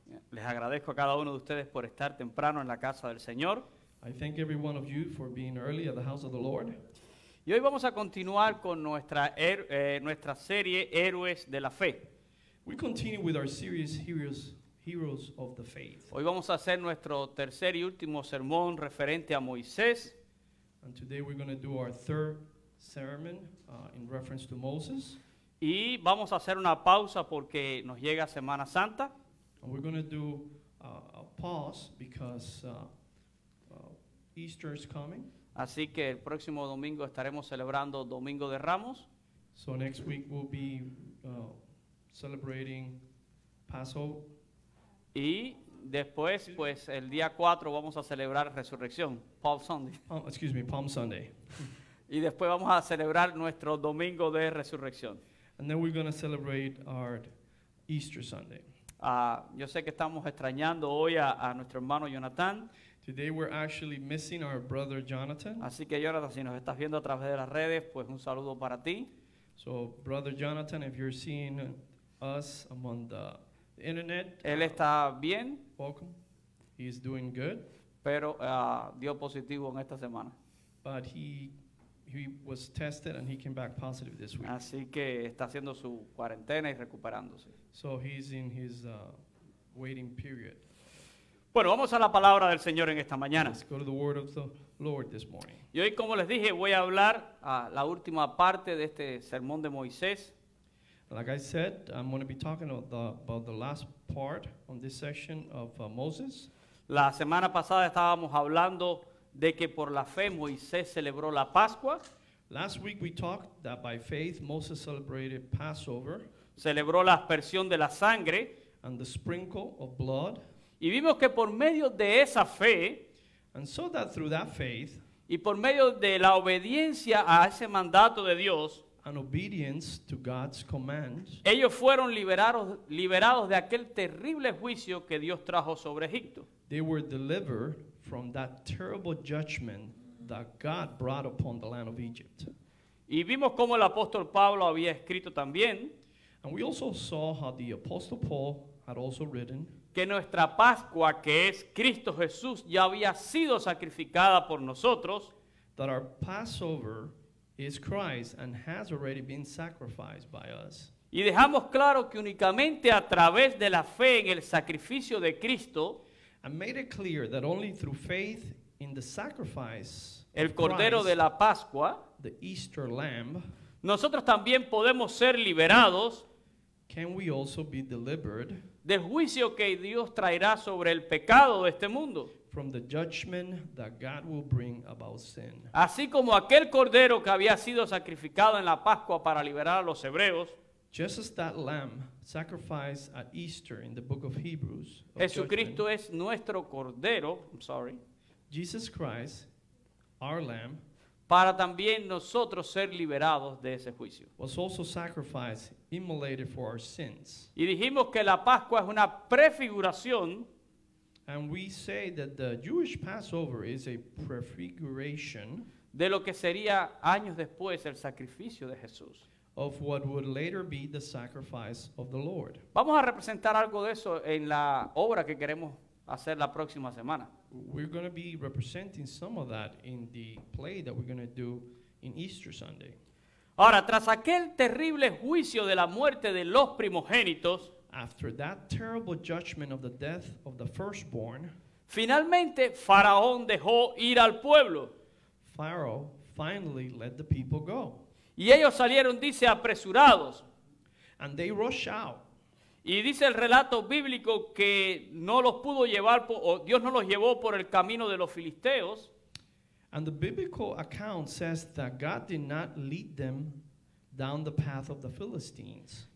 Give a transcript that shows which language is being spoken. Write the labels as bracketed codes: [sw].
[es] Les agradezco a cada uno de ustedes por estar temprano en la casa del Señor. [en] I thank every one of you for being early at the house of the Lord. [es] Y hoy vamos a continuar con nuestra serie Héroes de la Fe. [en] We continue with our series Heroes of the Faith. [es] Hoy vamos a hacer nuestro tercer y último sermón referente a Moisés. [en] And today we're going to do our third sermon in reference to Moses. [es] Y vamos a hacer una pausa porque nos llega Semana Santa. [en] And we're going to do a pause because Easter is coming. [es] Así que el próximo domingo estaremos celebrando Domingo de Ramos. [en] So next week we'll be celebrating Passover. [es] Y después, pues, el día 4 vamos a celebrar Resurrección, [en] Palm Sunday. Palm Sunday. [es] Y después vamos a celebrar nuestro Domingo de Resurrección. [en] And then we're going to celebrate our Easter Sunday. [es] Yo sé que estamos extrañando hoy a nuestro hermano Jonathan. [en] Today we're actually missing our brother Jonathan. [es] Así que Jonathan, si nos estás viendo a través de las redes, pues un saludo para ti. [en] So brother Jonathan, if you're seeing us among the internet, [es] él está bien. [en] Welcome. He's doing good. [es] Pero dio positivo en esta semana. [en] But he was tested and he came back positive this week. [es] Así que está haciendo su cuarentena y recuperándose. [en] So he's in his waiting period. [es] Bueno, vamos a la palabra del Señor en esta mañana. [en] Let's go to the word of the Lord this morning. [es] Y hoy, como les dije, voy a hablar a la última parte de este sermón de Moisés. [en] Like I said, I'm going to be talking about the last part on this session of Moses. [es] La semana pasada estábamos hablando de que por la fe Moisés celebró la Pascua. [en] Last week we talked that by faith Moses celebrated Passover. [es] Celebró la aspersión de la sangre. [en] And the sprinkle of blood. [es] Y vimos que por medio de esa fe, [en] and so that through that faith, [es] y por medio de la obediencia a ese mandato de Dios, [en] and obedience to God's command, [es] ellos fueron liberados de aquel terrible juicio que Dios trajo sobre Egipto. [en] They were delivered from that terrible judgment that God brought upon the land of Egypt. [es] Y vimos cómo el apóstol Pablo había escrito también, [en] and we also saw how the apostle Paul had also written, [es] que nuestra Pascua, que es Cristo Jesús, ya había sido sacrificada por nosotros. [en] That our Passover is Christ and has already been sacrificed by us. [es] Y dejamos claro que únicamente a través de la fe en el sacrificio de Cristo, [en] and made it clear that only through faith in the sacrifice, [es] el Cordero de la Pascua, [en] the Easter Lamb, [es] nosotros también podemos ser liberados. [en] Can we also be delivered? [es] Del juicio que Dios traerá sobre el pecado de este mundo. [en] From the judgment that God will bring about sin. [es] Así como aquel cordero que había sido sacrificado en la Pascua para liberar a los hebreos. [en] Just as that lamb sacrificed at Easter in the book of Hebrews. Of [es] Jesucristo judgment, es nuestro cordero. [en] I'm sorry. Jesus Christ, our lamb. [es] para también nosotros ser liberados de ese juicio. [en] Was also sacrificed, immolated for our sins. [es] Y dijimos que la Pascua es una prefiguración. [en] And we say that the Jewish Passover is a prefiguration [es] de lo que sería años después el sacrificio de Jesús. [en] Of what would later be the sacrifice of the Lord. [es] Vamos a representar algo de eso en la obra que queremos hacer la próxima semana. [en] We're going to be representing some of that in the play that we're going to do in Easter Sunday. [es] Ahora, tras aquel terrible juicio de la muerte de los primogénitos, [en] after that terrible judgment of the death of the firstborn, [es] finalmente Faraón dejó ir al pueblo. [en] Pharaoh finally let the people go. [es] Y ellos salieron, dice, apresurados. [en] And they rush out. [es] Y dice el relato bíblico que no los pudo llevar, o Dios no los llevó por el camino de los filisteos. [en] And the biblical account says that God did not lead them down the path of the Philistines.